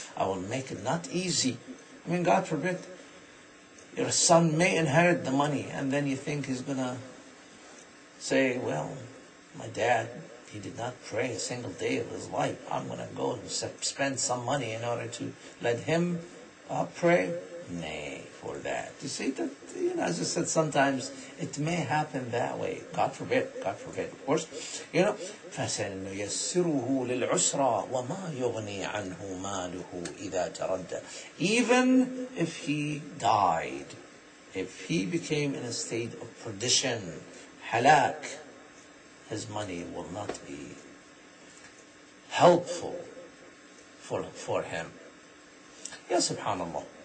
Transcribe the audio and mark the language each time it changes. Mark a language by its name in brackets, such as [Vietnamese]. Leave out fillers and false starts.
[English] I will make it not easy. I mean, God forbid, your son may inherit the money, and then you think he's going to say, well, my dad, he did not pray a single day of his life. I'm going to go and spend some money in order to let him pray. Nay, for that. You see, that, you know, as I said, sometimes it may happen that way. God forbid, of course. You know, [Arabic] فَسَنُيَسِّرُهُ لِلْعُسْرَى وَمَا يُغْنِي عَنْهُ مَالُهُ إِذَا تَرَدَّى. [English] Even if he died, if he became in a state of perdition, halak, his money will not be helpful for him. Yes, subhanAllah.